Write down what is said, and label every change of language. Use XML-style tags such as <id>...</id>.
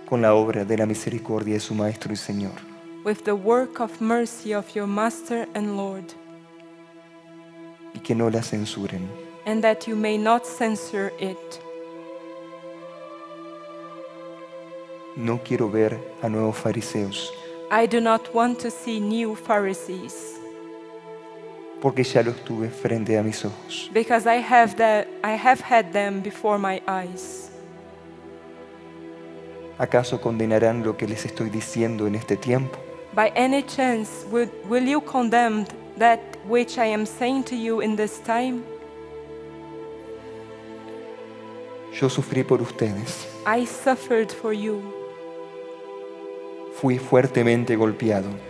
<es>con la obra de la misericordia de su maestro y señor.</es> <en>With the work of mercy of your master and lord.</en> <es>Y que no la censuren.</es> <en>And that you may not censure it.</en> <es>No quiero ver a nuevos fariseos.</es> <en>I do not want to see new Pharisees.</en> <es>Porque ya los tuve frente a mis ojos.</es> <en>Because I have had them before my eyes.</en> <es>¿Acaso condenarán lo que les estoy diciendo en este tiempo?</es> <en>By any chance, will you condemn that which I am saying to you in this time?</en> <es>Yo sufrí por ustedes.</es> <en>I suffered for you.</en> <es>Fui fuertemente golpeado.</es>